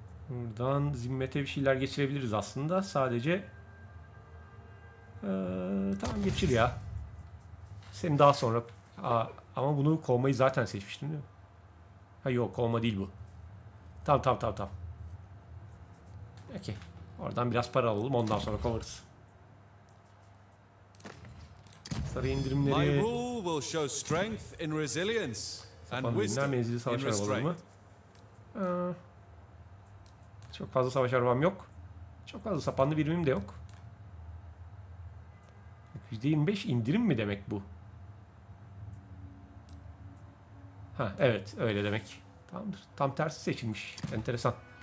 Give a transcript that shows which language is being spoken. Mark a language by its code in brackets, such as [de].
[tr] Buradan zimmete bir şeyler geçirebiliriz aslında. Sadece tamam geçir ya. Seni daha sonra ama bunu kovmayı zaten seçmiştim değil mi? Ha yok, kovma değil bu. Tamam. Okey. Oradan biraz para alalım, ondan sonra kovarız. Saray indirimleri. [en] My rule will show strength in resilience and wisdom. [tr] Menzili savaş arabaları mı? Çok fazla savaş arabam yok. Çok fazla sapanlı birimim de yok. %25 indirim mi demek bu? Ha evet, öyle demek. Tamamdır. Tam tersi seçilmiş. Enteresan.